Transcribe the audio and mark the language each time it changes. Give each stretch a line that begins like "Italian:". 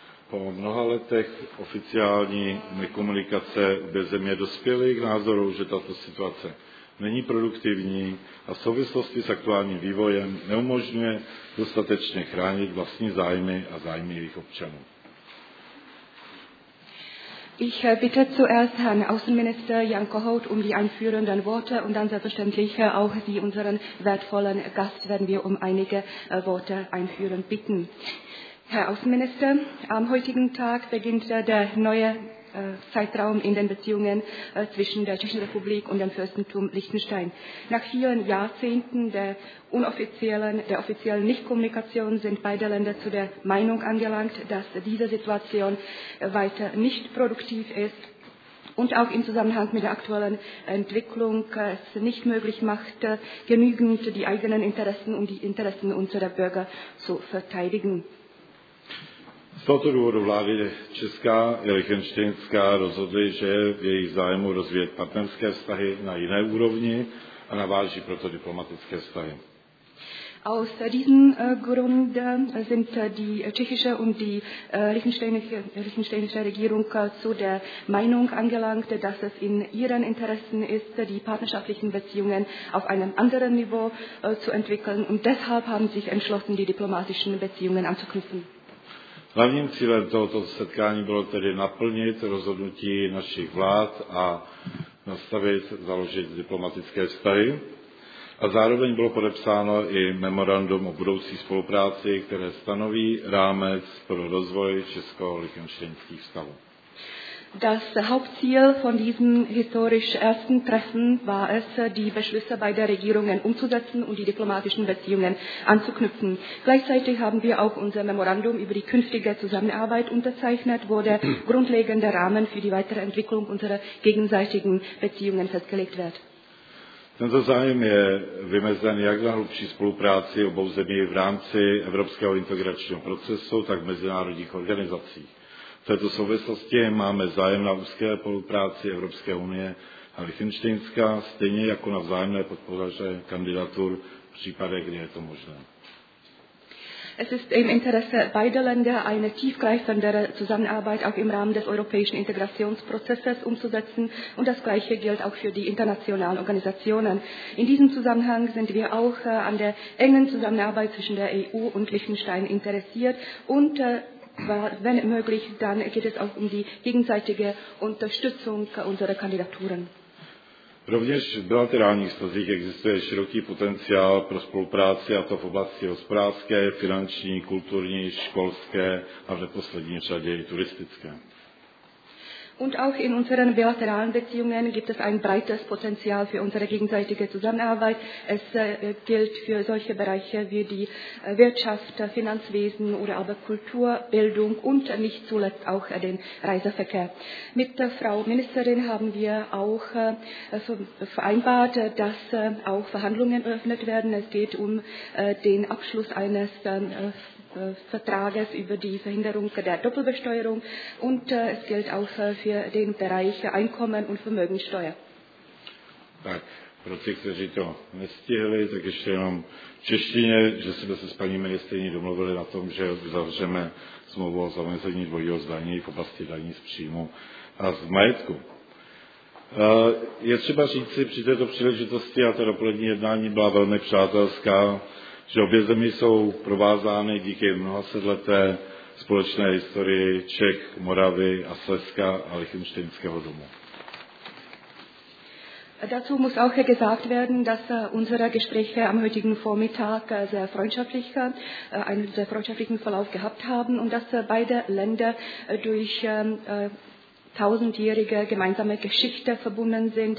Czech: Po mnoha letech oficiální nekomunikace obě země dospěly k názoru, že tato situace není produktivní a v souvislosti s aktuálním vývojem neumožňuje dostatečně chránit vlastní zájmy a zájmy jejich občanů.
German: Ich bitte zuerst Herrn Außenminister Jan Kohout die einführenden Worte und dann selbstverständlich auch Sie, unseren wertvollen Gast, werden wir einige Worte einführen bitten. Herr Außenminister, am heutigen Tag beginnt der neue Zeitraum in den Beziehungen zwischen der Tschechischen Republik und dem Fürstentum Liechtenstein. Nach vielen Jahrzehnten der offiziellen Nichtkommunikation sind beide Länder zu der Meinung angelangt, dass diese Situation weiter nicht produktiv ist und auch im Zusammenhang mit der aktuellen Entwicklung es nicht möglich macht, genügend die eigenen Interessen und die Interessen unserer Bürger zu verteidigen.
Czech: Z tohoto důvodu vlády Česká i Lichtenštejnská rozhodly, že je v jejich zájmu rozvíjet partnerské vztahy na jiné úrovni a naváží proto diplomatické vztahy.
German: Aus diesem Grund sind die tschechische und die lichtensteinische Regierung zu der Meinung angelangt, dass es in ihren Interessen ist, die partnerschaftlichen Beziehungen auf einem anderen Niveau zu entwickeln und deshalb haben sich entschlossen, die diplomatischen Beziehungen anzuknüpfen.
Czech: Hlavním cílem tohoto setkání bylo tedy naplnit rozhodnutí našich vlád a založit diplomatické vztahy. A zároveň bylo podepsáno i memorandum o budoucí spolupráci, které stanoví rámec pro rozvoj česko-lichtenštejnských vztahů.
German: Das Hauptziel von diesem historisch ersten Treffen war es, die Beschlüsse beider Regierungen umzusetzen und die diplomatischen Beziehungen anzuknüpfen. Gleichzeitig haben wir auch unser Memorandum über die künftige Zusammenarbeit unterzeichnet, wo der grundlegende Rahmen für die weitere Entwicklung unserer gegenseitigen Beziehungen festgelegt wird.
Czech: Tento zájem je vymezen jak na hlubší spolupráci obou zemí v rámci evropského integračního procesu, tak v mezinárodních organizacích. V této souvislosti máme zájem na úzké spolupráci Evropské unie a Lichtenštejnská, stejně jako na vzájemné podpoře kandidatur v případech, kdy je to možné.
German: Es ist im Interesse beider Länder, eine tiefgreifendere Zusammenarbeit auch im Rahmen des europäischen Integrationsprozesses umzusetzen. Und das Gleiche gilt auch für die internationalen Organisationen. In diesem Zusammenhang sind wir auch an der engen Zusammenarbeit zwischen der EU und Liechtenstein interessiert und wenn möglich, dann geht es auch die gegenseitige Unterstützung unserer Kandidaturen.
Czech: Rovněž v bilaterálních vztazích existuje široký potenciál pro spolupráci, a to v oblasti hospodářské, finanční, kulturní, školské a v neposlední řadě i turistické.
German: Und auch in unseren bilateralen Beziehungen gibt es ein breites Potenzial für unsere gegenseitige Zusammenarbeit. Es gilt für solche Bereiche wie die Wirtschaft, Finanzwesen oder aber Kultur, Bildung und nicht zuletzt auch den Reiseverkehr. Mit der Frau Ministerin haben wir auch vereinbart, dass auch Verhandlungen eröffnet werden. Es geht um den Abschluss eines Vertrages über die Verhinderung der Doppelbesteuerung und es gilt auch für den Bereich Einkommen und Vermögensteuer.
Czech: Tak, pro ty, kteří to nestihli, tak ještě jenom v češtině, že jsme se s paní ministryní domluvili na tom, že uzavřeme smlouvu o zamezení dvojího zdanění v oblasti daní z příjmu a z majetku. Je třeba říci při této příležitosti, a to dopolední jednání byla velmi přátelská, že obě země jsou provázány díky mnoha sedleté společné historii Čech, Moravy a Slezska a Lichtenštejnského domu.
German: Dazu muss auch gesagt werden, dass unsere Gespräche am heutigen Vormittag einen sehr freundschaftlichen Verlauf gehabt haben und dass beide Länder durch tausendjährige gemeinsame Geschichte verbunden sind.